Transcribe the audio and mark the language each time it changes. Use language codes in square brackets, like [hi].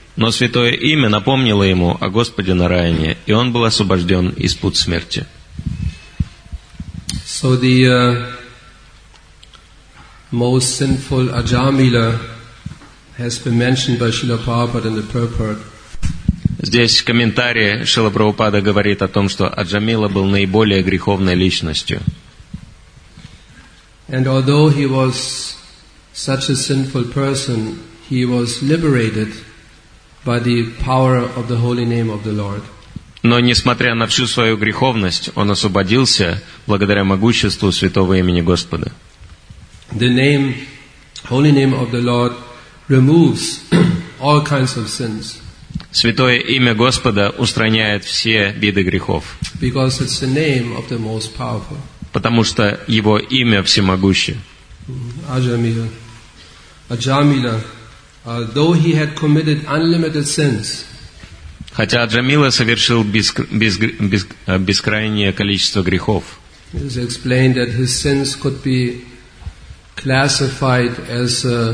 [ru] Но святое имя напомнило ему о Господе на Раяне, и он был освобожден из пут смерти. [en] So the most sinful Ajamila has been mentioned by Srila Prabhupada in the purport. [ru] Здесь в комментарии Шрила Прабхупада говорит о том, что Аджамила был наиболее греховной личностью. [en] And although he was such a sinful person, he was liberated by the power of the holy name of the Lord. [ru] Но несмотря на всю свою греховность, он освободился благодаря могуществу святого имени Господа. [en] The name, holy name of the Lord, removes all kinds of sins. [ru] Святое имя Господа устраняет все виды грехов. [en] Because it's the name of the most powerful. [ru] Потому что его имя всемогущее. [en] Ajamila. Ajamila, though he had committed unlimited sins, [ru] хотя Аджамила совершил бескрайнее количество грехов, [en] it is explained that his sins could be classified as